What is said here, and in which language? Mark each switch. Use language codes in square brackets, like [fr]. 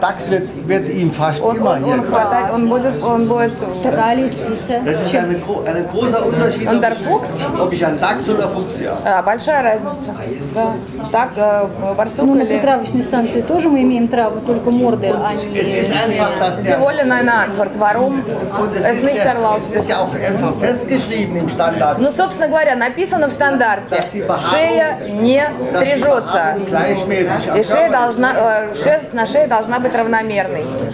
[de] Der Dachs wird ihm fast immer hier. [ru] Он будет... Тогда лисица. [de] Das ist ein großer Unterschied. Und der Fuchs? Ob ich ein Dachs oder Fuchs, ja. [ru] Большая разница. Так, барсук или... Ну, на притравочной станции тоже мы имеем травму, только морды, а не... [de] Es ist einfach, dass der... Sie wollen eine Antwort. Warum? Es ist ja auch einfach festgeschrieben im Standard. [ru] Ну, собственно говоря, написано в стандарте, шея не стрижется, и шея должна, шерсть на шее должна быть равномерной.